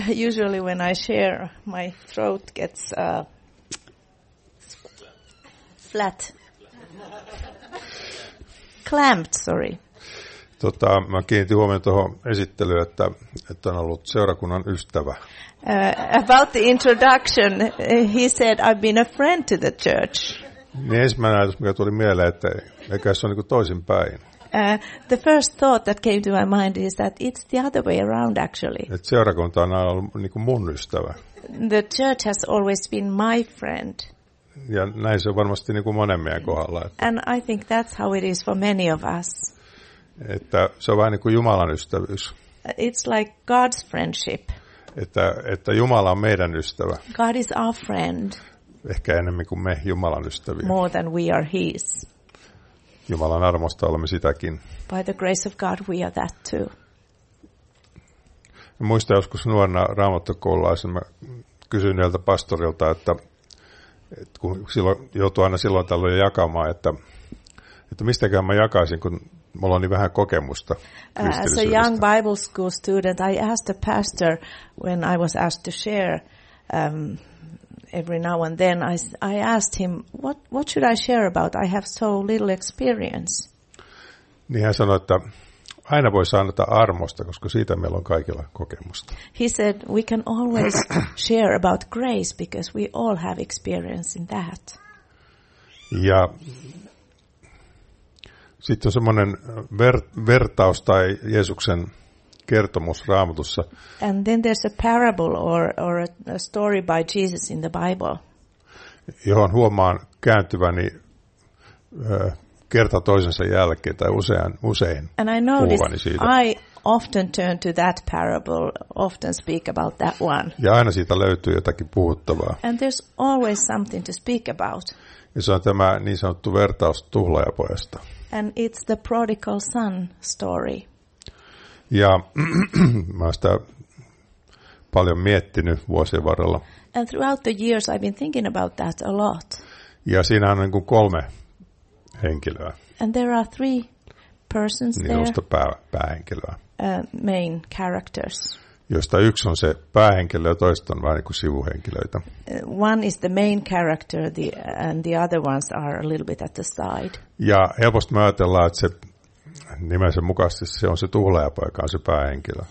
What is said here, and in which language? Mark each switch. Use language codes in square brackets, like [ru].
[en] Usually when I share, my throat gets flat. Clamped, sorry. [fi] Mä kiinnitin huomioon tuohon esittelyyn, että on ollut seurakunnan ystävä. [en] About the introduction, he said, I've been a friend to the church. [fi] Niin ensimmäinen ajatus, mikä tuli mieleen, että eikä se ole niin toisin päin. [en] The first thought that came to my mind is that it's the other way around, actually. [fi] Et seurakunta on aina ollut niin kuin mun ystävä. [en] The church has always been my friend. [fi] Ja näin se on varmasti niin kuin monen meidän kohdalla. Että [en] and I think that's how it is for many of us. [fi] Että se on vähän niin kuin Jumalan ystävyys. [en] It's like God's friendship. [fi] Että Jumala on meidän ystävä. [en] God is our friend. [fi] Ehkä enemmän kuin me Jumalan ystäviä. [en] More than we are his. [fi] Jumalan armosta olemme sitäkin. [en] By the grace of God we are that too. [fi] Mä muistan joskus nuorena raamattokoululaisena, mä kysyin näiltä pastorilta, että kun silloin joutui aina silloin tällöin jakamaan, että mistäkään mä jakaisin, kun mulla on niin vähän kokemusta kristillisyydestä. [en] As a young Bible school student, I asked the pastor when I was asked to share every now and then I asked him what should I share about, I have so little experience. [fi] Niin hän sanoi, että aina voi sanota armosta, koska siitä meillä on kaikilla kokemusta. [en] He said we can always share about grace because we all have experience in that. [fi] Ja sitten on semmoinen vertaus tai Jeesuksen kertomus Raamatussa. [en] And then there's a parable or a story by Jesus in the Bible. [fi] Johon huomaan kääntyväni kerta toisensa jälkeen tai usein. [en] And I noticed I often turn to that parable, often speak about that one. [fi] Ja aina siitä löytyy jotakin puhuttavaa. [en] And there's always something to speak about. [fi] Ja se on tämä niin sanottu vertaus tuhlaajapojasta. [en] And it's the prodigal son story. [fi] Ja mä oon sitä paljon miettinyt vuosien varrella. [en] And throughout the years I've been thinking about that a lot. [fi] Ja siinä on niin kuin kolme henkilöä. [en] And there are three persons [fi] niin [en] there. [fi] Niistä päähenkilöä. [en] Main characters. [fi] Josta yksi on se päähenkilö ja toiset on vähän niin kuin sivuhenkilöitä. [en] One is the main character and the other ones are a little bit at the side. [fi] Ja helposti me ajatellaan, että se nimensä mukaisesti se on se tuhlaajapoika, on se päähenkilö.